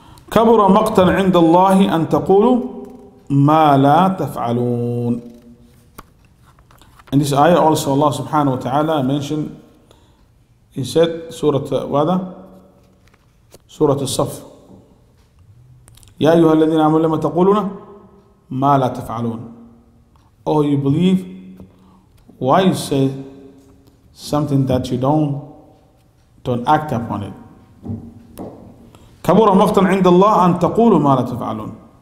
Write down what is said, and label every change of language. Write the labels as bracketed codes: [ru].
[ar] كبر مقتا عند الله أن تقولوا ما لا تفعلون. [en] In this ayah also Allah [ar] سبحانه وتعالى [en] mentioned, he said [ar] سورة وذا سورة الصف, يا أيها الذين آمنوا لما تقولون ما لا تفعلون. [en] Oh, you believe, why you say something that you don't act upon it. [ar] كبر مقتا عند الله أن تقولوا ما لا تفعلون.